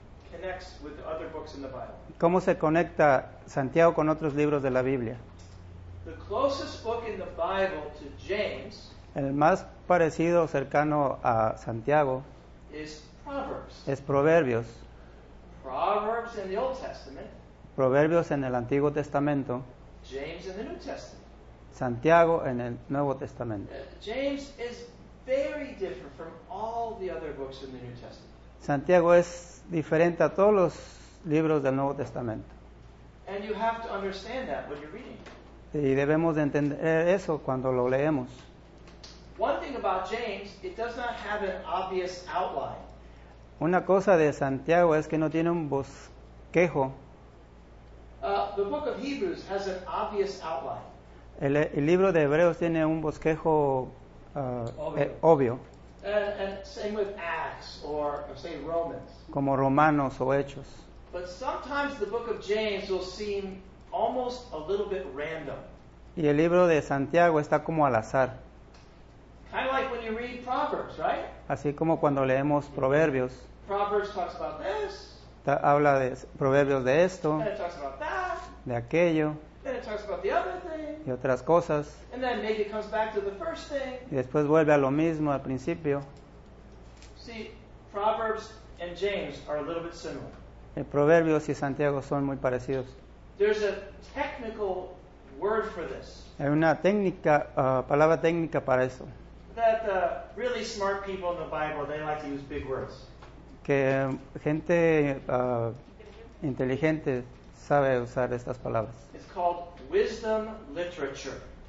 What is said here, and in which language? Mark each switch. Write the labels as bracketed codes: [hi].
[en] connects with other books in the Bible. [es] Cómo se conecta Santiago con otros libros de la Biblia. [en] The closest book in the Bible to James, [es] el más parecido cercano a Santiago, [en] is Proverbs. [es] Es Proverbios. [en] Proverbs in the Old Testament. [es] Proverbios en el Antiguo Testamento. [en] James in the New Testament. [es] Santiago en el Nuevo Testamento. [en] James is very different from all the other books in the New Testament. [es] Santiago es diferente a todos los libros del Nuevo Testamento. [en] And you have to understand that when you're reading. [es] Y debemos de entender eso cuando lo leemos. [en] One thing about James, it does not have an obvious outline. [es] Una cosa de Santiago es que no tiene un bosquejo. [en] The book of Hebrews has an obvious outline. [es] El libro de Hebreos tiene un bosquejo obvio. [en] And same with Acts or say Romans. [es] Como Romanos o Hechos. [en] But sometimes the book of James will seem almost a little bit random. [es] Y el libro de Santiago está como al azar. [en] Kind of like when you read Proverbs, right? [es] Así como cuando leemos Proverbios. [en] Proverbs talks about this. [es] Habla de Proverbios de esto. [en] And it talks about that. [es] De aquello. [en] And it talks about the other thing. [es] Y otras cosas. [en] And then maybe it comes back to the first thing. [es] Y después vuelve a lo mismo al principio. [en] See, Proverbs and James are a little bit similar. [es] El Proverbios y Santiago son muy parecidos. [en] There's a technical word for this. [es] Hay una técnica, palabra técnica para eso. [en] That really smart people in the Bible, they like to use big words. [es] Que gente inteligente sabe usar estas palabras. [en] It's called wisdom literature.